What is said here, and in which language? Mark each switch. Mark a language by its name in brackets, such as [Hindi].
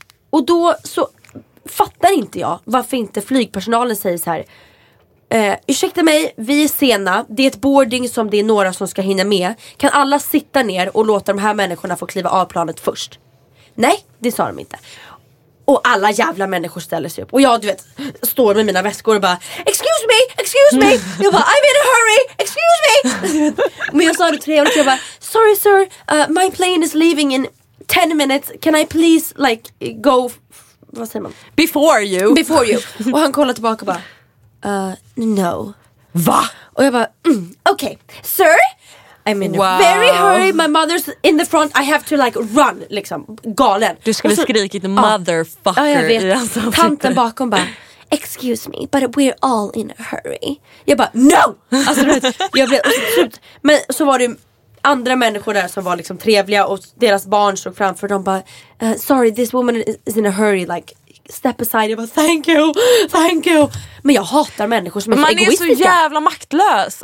[Swedish] Och då så fattar inte jag varför inte flygpersonalen säger så här, ursäkta mig, vi är sena. Det är ett boarding som det är några som ska hinna med. Kan alla sitta ner och låta de här människorna få kliva av planet först? Nej, det sa de inte. Och alla jävla människor ställer sig upp. Och jag, du vet, står med mina väskor och bara, [English] excuse me, excuse me. [Swedish] Jag bara, [English] I'm in a hurry, excuse me. [Swedish] Men jag sa det trevligt. Jag bara, [English] sorry sir, my plane is leaving in 10 minutes. Can I please like go, [Swedish] vad säger man? [English] Before you. [Swedish] Och han kollar tillbaka och bara, no. Va? Och jag bara, [English] okay, sir. I'm in a very hurry, my mother's in the front, I have to like run, [Swedish] liksom, galen. Du skulle skrika lite motherfucker. Ja, jag vet. Tanten bakom bara, [English] excuse me, but we're all in a hurry. [Swedish] Jag bara, no! Alltså, vet, jag blev, slut. Men så var det andra människor där som var liksom trevliga och deras barn stod framför dem bara, [English] sorry, this woman is in a hurry, like, step aside. [Swedish] Jag bara, [English] thank you. [Swedish] Men jag hatar människor som är egoistiska. Man är så jävla maktlös.